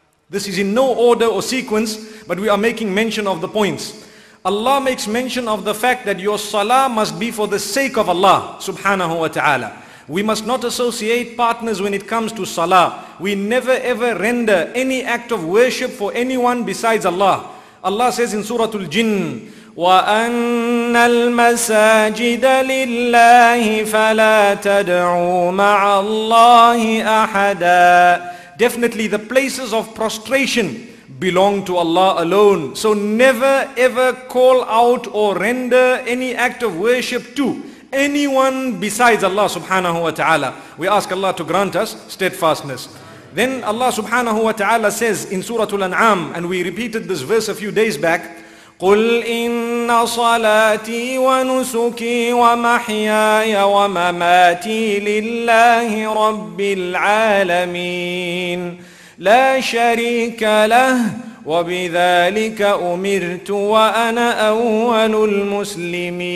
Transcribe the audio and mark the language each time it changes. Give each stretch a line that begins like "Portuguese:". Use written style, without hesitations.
English: This is in no order or sequence, but we are making mention of the points. Allah makes mention of the fact that your salah must be for the sake of Allah subhanahu wa ta'ala. We must not associate partners when it comes to salah. We never ever render any act of worship for anyone besides Allah. Allah says in Surah Al-Jinn,
Arabic: وَأَنَّ الْمَسَاجِدَ لِلَّهِ فَلَا تَدْعُوا مَعَ اللَّهِ أَحَدًا.
English: Definitely the places of prostration belong to Allah alone. So never ever call out or render any act of worship to anyone besides Allah subhanahu wa ta'ala. We ask Allah to grant us steadfastness. Then Allah subhanahu wa ta'ala says in Surah Al-An'am, and we repeated this verse a few days back,
Arabic: قُلْ إِنَّ صَلَاتِي وَنُسُكِي وَمَحْيَايَ وَمَمَاتِي لِلَّهِ رَبِّ الْعَالَمِينَ لَا شَرِيكَ لَهُ وَبِذَلِكَ أُمِرْتُ وَأَنَا أَوَّلُ الْمُسْلِمِينَ.